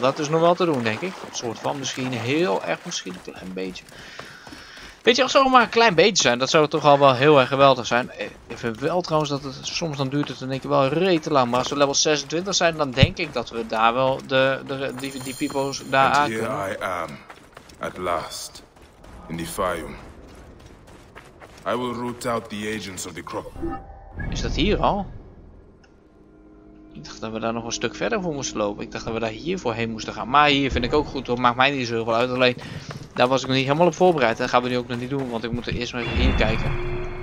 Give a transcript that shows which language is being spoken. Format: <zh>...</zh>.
<nl>Dat is nog wel te doen denk ik. Een soort van misschien heel erg, misschien een klein beetje. Weet je, als het maar een klein beetje zijn, dat zou toch al wel heel erg geweldig zijn. Ik vind wel trouwens dat het soms dan duurt het denk ik wel rete lang. Maar als we level 26 zijn, dan denk ik dat we daar wel die people's daar aan kunnen.</nl> <en>And here I am, at last, in the Fayum. I will root out the agents of the crop.</en> <nl>Is dat hier al? Ik dacht dat we daar nog een stuk verder voor moesten lopen. Ik dacht dat we daar hier voorheen moesten gaan. Maar hier vind ik ook goed, dat maakt mij niet zoveel uit. Alleen, daar was ik nog niet helemaal op voorbereid. Dat gaan we nu ook nog niet doen, want ik moet er eerst maar even hier kijken.</nl>